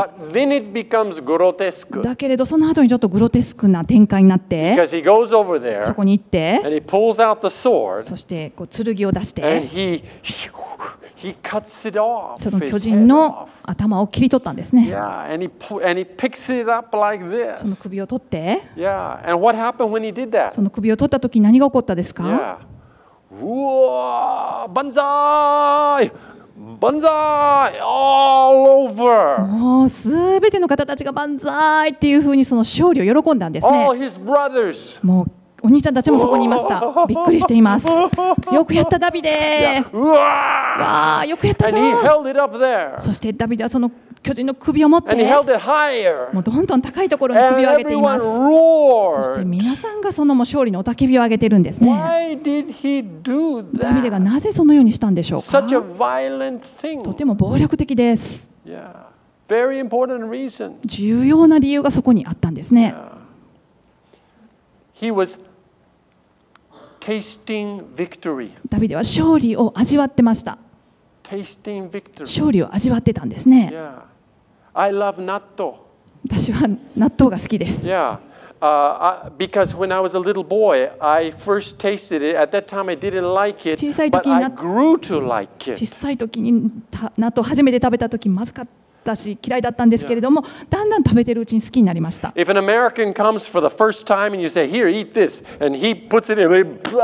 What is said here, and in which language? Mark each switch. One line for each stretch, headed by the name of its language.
English: But then it becomes grotesque.
Japanese: だけれどその後にちょっとグロテスクな展開になって、
English: Because he goes over there,
Japanese: そこに行って、
English: and he pulls out the sword,
Japanese: そしてこう剣を出して、
English: and he cuts it off,
Japanese: その巨人の頭を切り取ったんですね。
English: Yeah, and he picks it up like this.
Japanese: その首を取って、
English: yeah, and what happened when he did that?
Japanese: その首を取った時何が起こったですか？
English: Yeah.
Japanese: うわー、バンザーイ、バンザーイ、
English: all over。
Japanese: もうすべての方たちがバンザーイっていう風にその勝利を喜んだんですね。
English: All his brothers。
Japanese: もうお兄ちゃんたちもそこにいました。びっくりしています。よくやったダビデ。うわー。わー、よくやったぞ。
English: And he held it up there。
Japanese: そしてダビデはその巨人の首を持って、
English: And he held it higher。
Japanese: もうどんどん高いところに首を上げています。
English: And everyone roared。
Japanese: そして皆さんがそのもう勝利の雄たけびを上げてるんですね。
English: Why did he do that?
Japanese: ダビデがなぜそのようにしたんでしょうか。
English: Such a violent thing。
Japanese: とても暴力的です。
English: Yeah. Very important reason.
Japanese: 重要な理由がそこにあったんですね。
English: Yeah. He was tasting victory.
Japanese: ダビデは勝利を味わってました。勝利を味わってたんですね。
English: Yeah. I love 納豆。
Japanese: 私は納豆が好きです。
English: Because when I was a little boy, I first tasted it. At that time, I didn't like it.
Japanese: 小さい時に小さい時に納豆を初めて食べた時まずかったし嫌いだったんですけれども、だんだん食べてるうちに好きになりました。
English: If an American comes for the first time and you say, "Here, eat this," and he puts it in,